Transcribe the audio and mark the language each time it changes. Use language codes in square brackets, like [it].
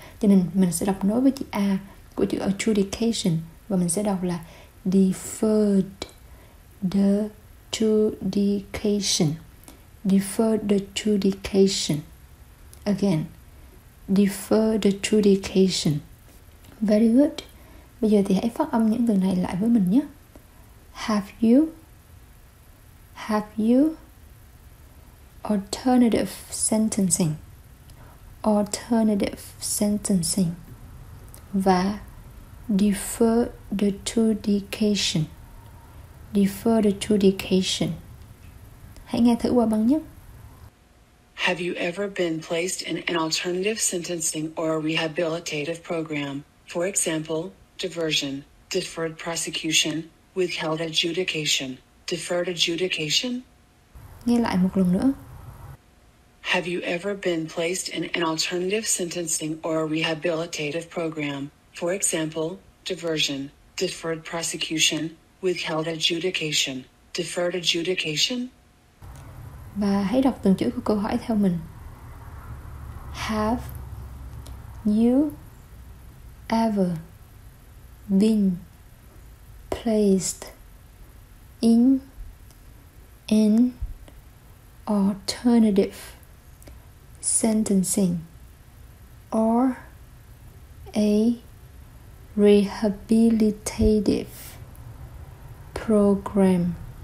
[vi] Cho nên mình sẽ đọc nối với chữ A của chữ adjudication và mình sẽ đọc là deferred adjudication. [en] Deferred adjudication. Again, deferred adjudication. Very good. [vi] Bây giờ thì hãy phát âm những từ này lại với mình nhé. [en] Have you, have you, alternative sentencing, alternative sentencing, và deferred adjudication, deferred adjudication. [vi] Hãy nghe thử qua băng nhé. [en] Have you ever been placed in an alternative sentencing or a rehabilitative program? For example, diversion, deferred prosecution, withheld adjudication, deferred adjudication? [vi] Nghe lại một lần nữa. [en] Have you ever been placed in an alternative sentencing or a rehabilitative program? For example, diversion, deferred prosecution, withheld adjudication, deferred adjudication? [vi] Và hãy đọc từng chữ của câu hỏi theo mình. [en] Have you ever been placed in an alternative sentencing or a rehabilitative program?